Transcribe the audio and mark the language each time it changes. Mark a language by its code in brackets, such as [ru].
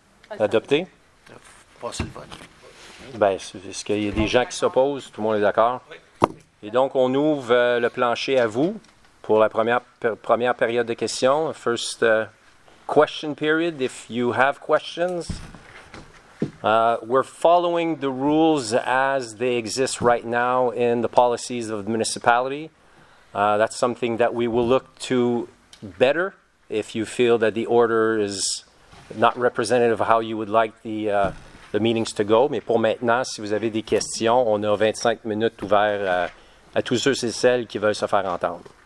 [fr] Adopté? Passer le vote. Bien, est-ce qu'il y a des gens qui s'opposent? Tout le monde est d'accord? Oui. Et donc, on ouvre le plancher à vous pour la première période de questions. [en] First question period, if you have questions. We're following the rules as they exist right now in the policies of the municipality. That's something that we will look to better if you feel that the order is not representative of how you would like the meetings to go. [fr] Mais pour maintenant, si vous avez des questions, on a 25 minutes ouvertes à tous ceux et celles qui veulent se faire entendre.